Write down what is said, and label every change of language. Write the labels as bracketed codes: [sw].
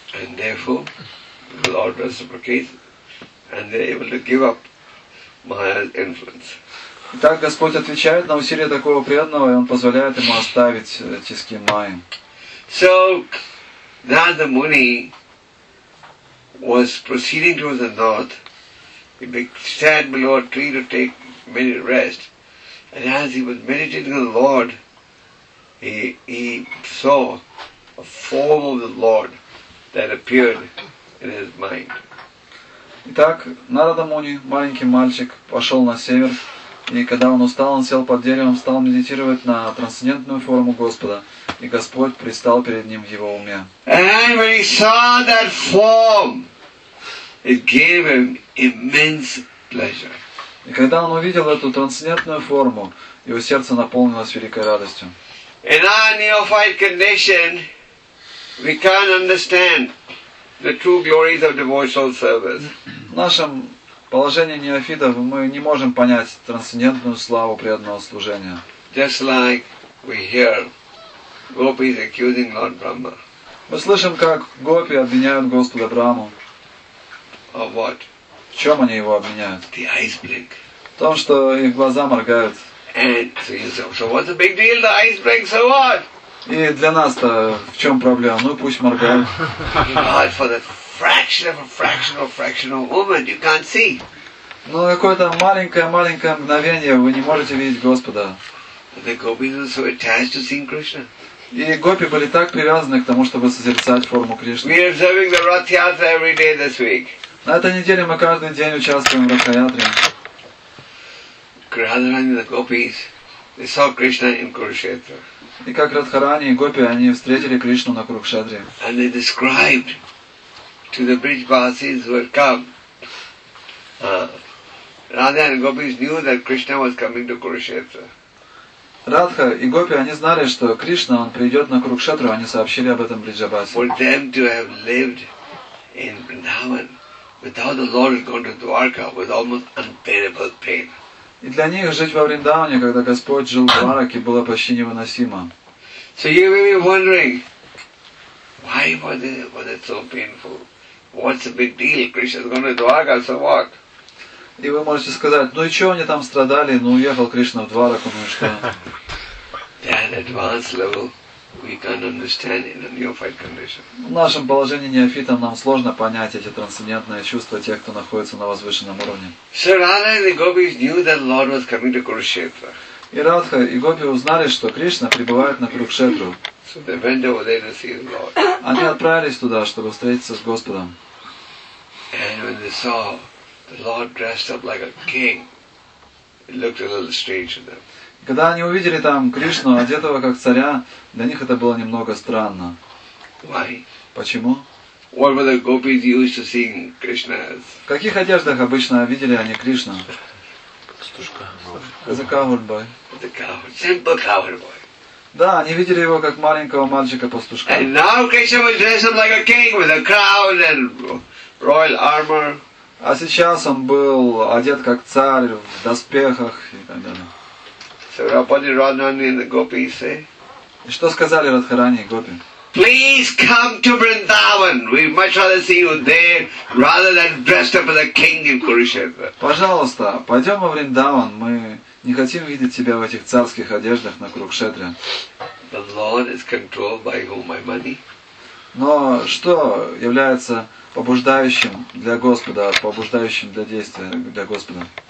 [en] And therefore, the Lord reciprocates, and they're able to give up Maya's influence. [ru] Итак, Господь отвечает на усилия такого преданного, и Он позволяет ему оставить тиски Майи. [en] So, now the Muni was proceeding towards the north. He sat below a tree to take a minute rest. And as he was meditating on the Lord, he saw a form of the Lord that appeared in his mind. [ru] Итак, Нарада Муни, маленький мальчик, пошел на север. И когда он устал, он сел под деревом, стал медитировать на трансцендентную форму Господа, и Господь предстал перед ним в его уме. [en] And when he saw that form, it gave him immense pleasure. [ru] И когда он увидел эту трансцендентную форму, его сердце наполнилось великой радостью. [en] In our neophyte condition, we can't understand the true glories of devotional service. [ru] В положении неофита мы не можем понять трансцендентную славу преданного служения. [en] Just like we hear gopis accusing Lord Brahma. [ru] Мы слышим, как гопи обвиняют Господа Брахму. [en] Of what? [ru] В чем они его обвиняют? [en] The eyes blink. [ru] В том, что их глаза моргают. [en] And so what's the big deal? The eyes blink, so what? [ru] И для нас-то в чем проблема? Ну пусть моргают. [en] God for the fractional moment you can't see. [ru] Ну какое-то маленькое мгновение вы не можете видеть Господа. [en] The gopis were so attached to seeing Krishna. [ru] И гопи были так привязаны к тому, чтобы созерцать форму Кришны. [en] We are observing the Rath Yatra every day this week. [ru] На этой неделе мы каждый день участвуем в Ратха Ятре. [en] Radharani and the gopis, they saw Krishna in Kurukshetra. [ru] И как Радхарани и гопи, они встретили Кришну на Курукшетре. [en] And they described to the Brijvasis who had come. Radha and Gopis knew that Krishna was coming to Kurukshetra. [ru] Radha и Gopi, они знали, что Кришна, он придет на Курукшетру, они сообщили об этом Бриджабаси. [en] For them to have lived in Vrindavan without the Lord going to Dwarka was almost unbearable pain. [ru] И для них жить во Вриндаване, когда Господь жил в Двараке, было почти невыносимо. [en] So you may be wondering, why was it so painful? What's the big deal? Krishna's going to Dwarka, so what? [ru] И вы можете сказать, ну и чего они там страдали, ну уехал Кришна в Двараку, ну и что? [en] That advanced level we can't understand in a neophyte condition. [ru] В нашем положении неофитам нам сложно понять эти трансцендентные чувства тех, кто находится на возвышенном уровне. [en] So Radha and the gopis knew that Lord was coming to Kurukshetra. [ru] И Радха и гопи узнали, что Кришна прибывает на Курукшетру. [en] So they went over there to see the Lord. [ru] Они отправились туда, чтобы встретиться с Господом. [en] And when they saw the Lord dressed up like a king, it looked a little strange to them. [ru] Когда они увидели там Кришну, одетого как царя, для них это было немного странно. [en] Why? [ru] Почему? [en] What were the gopis used to seeing Krishna as? [ru] В каких одеждах обычно видели они Кришну? [en] As a cowherd boy. The cowherd, simple cowherd boy. [ru] Да, они видели его как маленького мальчика-пастушка. [en] And now Krishna was dressed up like a king with a crown and royal armor. [ru] А сейчас он был одет как царь в доспехах и так далее. [en] So Rupati Radharani and the gopis say. [ru] И что сказали Радхарани и гопи? [en] Please come to Vrindavan. We'd much rather see you there rather than dressed up as a king in Kurukshetra. [ru] Пожалуйста, пойдем во Вриндаван. Мы не хотим видеть тебя в этих царских одеждах на Курукшетре. [en] The Lord is controlled by whom? My money? [ru] Но что является побуждающим для Господа, побуждающим для действия для Господа?